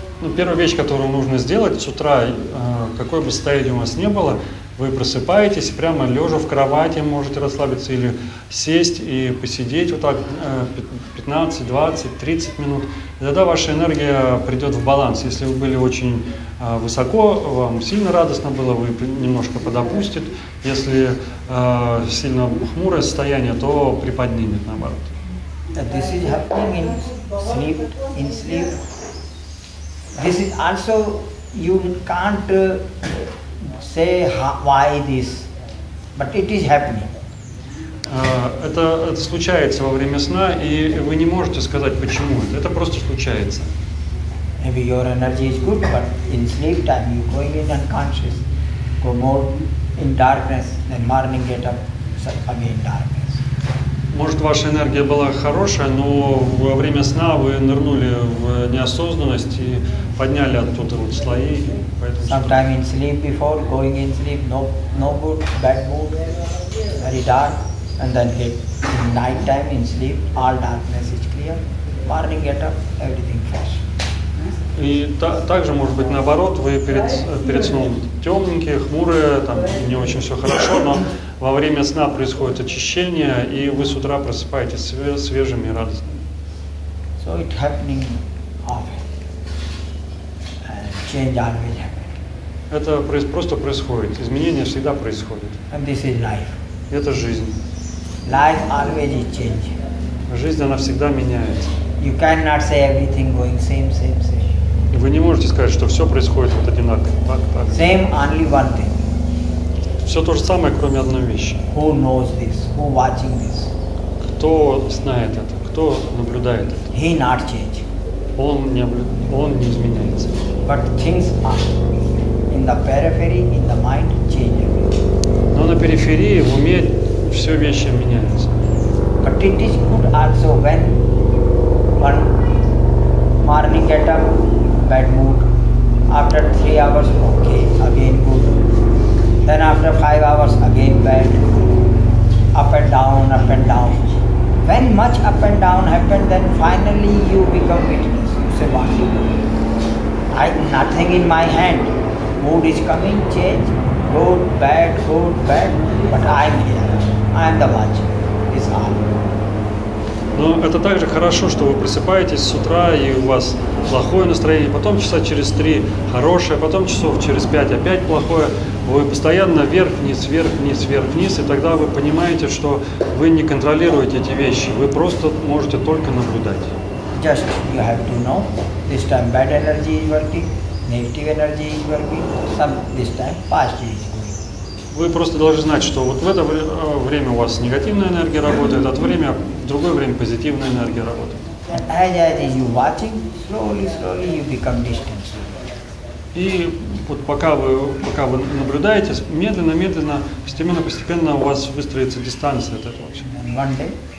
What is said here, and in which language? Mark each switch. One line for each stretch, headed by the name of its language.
Russian: Ну, первая вещь, которую нужно сделать с утра, какой бы стадии у вас не было, вы просыпаетесь прямо лежа в кровати, можете расслабиться или сесть и посидеть вот так 15, 20, 30 минут. И тогда ваша энергия придет в баланс. Если вы были очень высоко, вам сильно радостно было, вы немножко подопустит. Если сильно хмурое состояние, то приподнимет наоборот.
English: This is happening in sleep. This is also you can't say why this, but it is happening.
Russian: Это случается во время сна, и вы не можете сказать почему это. Это просто случается.
English: Maybe your energy is good, but in sleep time you going in unconscious, go more in darkness, then morning get up again darkness.
Russian: Может, ваша энергия была хорошая, но во время сна вы нырнули в неосознанность и подняли оттуда вот слои.
English: Sometimes in sleep before, going in sleep, no good, bad mood, very dark. And then in night time in sleep, all darkness is clear. Morning get up, everything fresh.
Russian: И также, может быть, наоборот, вы перед сном темненькие, хмурые, там не очень все хорошо, но в во время сна происходит очищение, и вы с утра просыпаетесь свежими и радостными.
English: So it happening often. Change always happens.
Russian: Это просто происходит. Изменения всегда происходят.
English: And this is life.
Russian: Это жизнь.
English: Life always change.
Russian: Жизнь, она всегда меняется.
English: You cannot say everything going same, same, same.
Russian: Вы не можете сказать, что все происходит вот одинаково, так, так.
English: Same only one thing.
Russian: Все то же самое, кроме одной вещи.
English: Who knows this? Who watching this?
Russian: Кто знает это? Кто наблюдает это?
English: He not change.
Russian: Он не изменяется.
English: But things are in the periphery, in the mind changing.
Russian: Но на периферии, в уме, все вещи меняются.
English: But it is good also when one morning get up. Bad mood. After 3 hours, okay, again good. Then after 5 hours, again bad. Up and down, when much up and down happened, then finally you become witness. You say, what you do? I nothing in my hand. Mood is coming, change. Good, bad, but I am here. I am the watcher. It's all.
Russian: Но это также хорошо, что вы просыпаетесь с утра, и у вас плохое настроение, потом часа через 3 хорошее, потом часов через 5 опять плохое. Вы постоянно вверх-вниз, вверх-вниз, вверх-вниз, и тогда вы понимаете, что вы не контролируете эти вещи, вы просто можете только наблюдать.
English: Just you have to know, this time bad energy is working, negative energy is working, some this time positive.
Russian: Вы просто должны знать, что вот в это время у вас негативная энергия работает, а в время, в другое время позитивная энергия работает. И вот пока вы наблюдаете, медленно, постепенно у вас выстроится дистанция от этого.